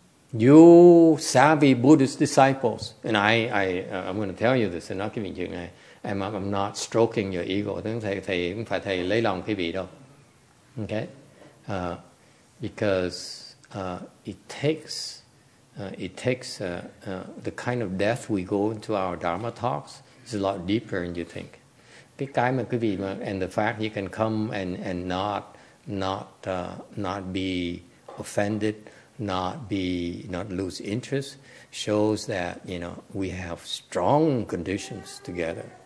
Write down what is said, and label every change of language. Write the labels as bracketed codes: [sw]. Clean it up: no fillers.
[en] You savvy Buddhist disciples, and I'm going to tell you this, and not giving you, I'm not stroking your ego. Don't say, [vi] thầy không phải thầy lấy lòng quý vị đâu. [en] Okay? Because it takes the kind of depth we go into our Dharma talks is a lot deeper than you think. [vi] Cái mà quý vị mà, [en] and the fact you can come and not be offended, not lose interest, shows that, you know, we have strong conditions together.